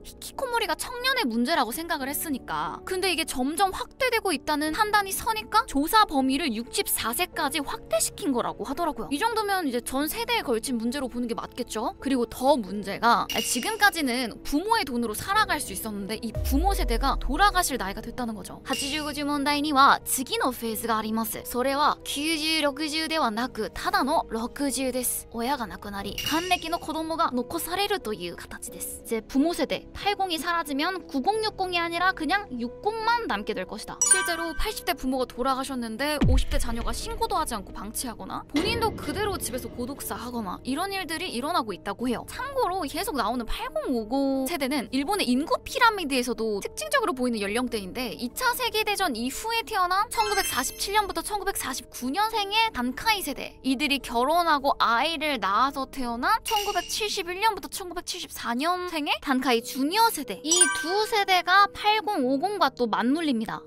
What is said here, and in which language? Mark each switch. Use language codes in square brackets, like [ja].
[ko] 히키코모리가 청년의 문제라고 생각을 했으니까. 근데 이게 점점 확대되고 있다는 판단이 서니까 조사 범위를 64세까지 확대시킨 거라고 하더라고요. 이 정도면 이제 전 세대에 걸친 문제로 보는 게 맞겠죠? 그리고 더 문제가 지금까지는 부모의 돈으로 살아갈 수 있었는데 이 부모 세대가 돌아가실 나이가 됐다는 거죠. [ja] 80, 90년대 には 次の フェーズが あります.それは 90, 60 ではなく ただの 60 です. 親が 亡くなり 還暦の 子供が 残される という 形です. [ko] 이제 부모 세대 80이 사라지면 9060이 아니라 그냥 60만 남게 될 것이다. 실제로 80대 부모가 돌아가셨는데 50대 자녀가 신고도 하지 않고 방치하거나 본인도 그대로 집에서 고독사하거나 이런 일들이 일어나고 있다고 해요. 참고로 계속 나오는 8050 세대는 일본의 인구 피라미드에서도 특징적으로 보이는 연령대인데 2차 세계대전 이후에 태어난 1947년부터 1949년생의 단카이 세대, 이들이 결혼하고 아이를 낳아서 태어난 1971년부터 1974년생의 단카이 주니어 세대, 이 두 세대가 8050과 또 맞물립니다.